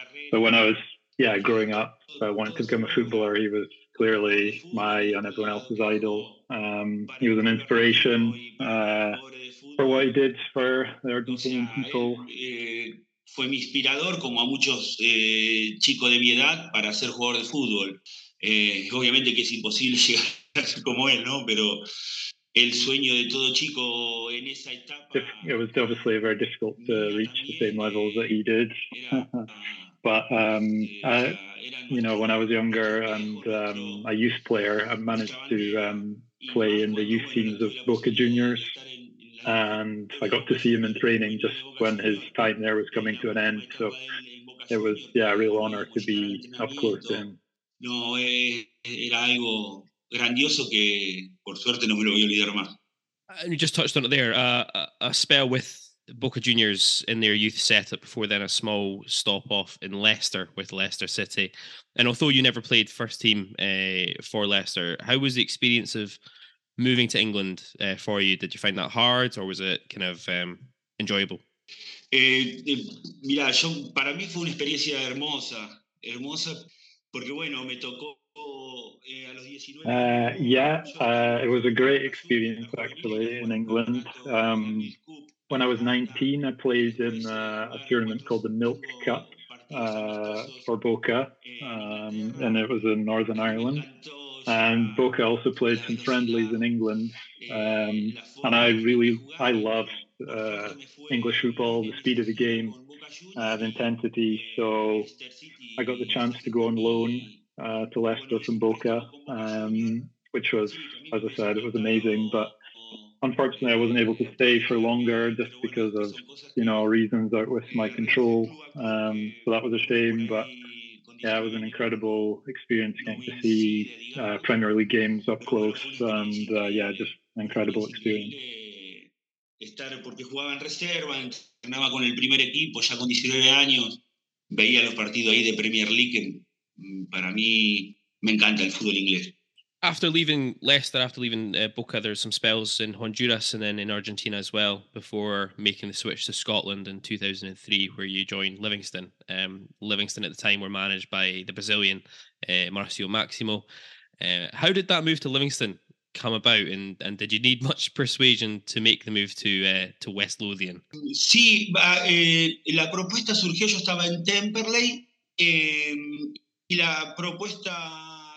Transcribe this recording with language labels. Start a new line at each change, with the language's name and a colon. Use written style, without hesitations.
English: But when I was growing up, I wanted to become a footballer. He was clearly my and everyone else's idol. He was an inspiration for what he did for the Argentinian people.
Spanish: Fue mi inspirador, como a muchos chicos de mi edad, para ser jugador de fútbol. Obviamente que es imposible llegar a ser como él, ¿no? Pero el sueño de todo chico en esa etapa...
English: It was obviously very difficult to reach the same levels that he did. But, when I was younger and a youth player, I managed to play in the youth teams of Boca Juniors. And I got to see him in training just when his time there was coming to an end. So it was, a real honor to be up close to him.
Spanish: No, era algo grandioso que, por suerte, no me lo voy a olvidar más.
English: And you just touched on it there. A spell with Boca Juniors in their youth setup before then, a small stop off in Leicester with Leicester City. And although you never played first team for Leicester, how was the experience of moving to England for you? Did you find that hard, or was it kind of enjoyable?
Spanish: Mira, yo para mí fue una experiencia hermosa, hermosa, porque bueno, me tocó a los 19.
English: It was a great experience actually in England. When I was 19, I played in a tournament called the Milk Cup for Boca, and it was in Northern Ireland. And Boca also played some friendlies in England, and I loved English football, the speed of the game, the intensity. So I got the chance to go on loan to Leicester from Boca, which was, as I said, it was amazing. But unfortunately, I wasn't able to stay for longer just because of, reasons out with my control. So that was a shame, but. Yeah, it was an incredible experience getting to see Premier League games up close, and just an incredible experience.
Spanish: Estar porque jugaba en reserva, entrenaba con el primer equipo ya con 19 años, veía los partidos ahí de Premier League. Para mí, me encanta el fútbol inglés.
English: After leaving Leicester, after leaving Boca, there's some spells in Honduras and then in Argentina as well before making the switch to Scotland in 2003, where you joined Livingston. Livingston at the time were managed by the Brazilian Marcio Maximo. How did that move to Livingston come about, and did you need much persuasion to make the move to West Lothian?
Spanish: Sí, la propuesta surgió, yo estaba en Temperley, y la propuesta